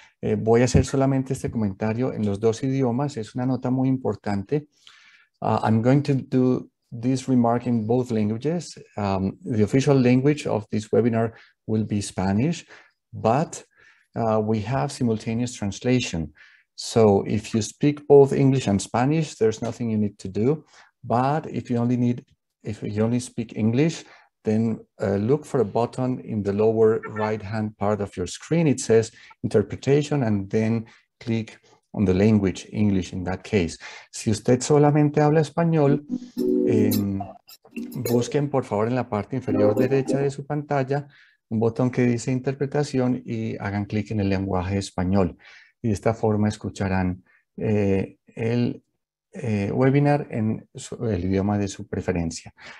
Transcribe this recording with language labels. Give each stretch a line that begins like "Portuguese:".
Spanish: Voy a hacer solamente este comentario en los dos idiomas. Es una nota muy importante.
English: I'm going to do this remark in both languages. The official language of this webinar will be Spanish, but we have simultaneous translation. So if you speak both English and Spanish, there's nothing you need to do. But if you only speak English, then look for a button in the lower right-hand part of your screen. It says interpretation, and then click on the language, English, in that case.
Spanish: Si usted solamente habla español, busquen por favor en la parte inferior derecha de su pantalla un botón que dice interpretación y hagan clic en el lenguaje español. Y de esta forma escucharán el webinar en el idioma de su preferencia.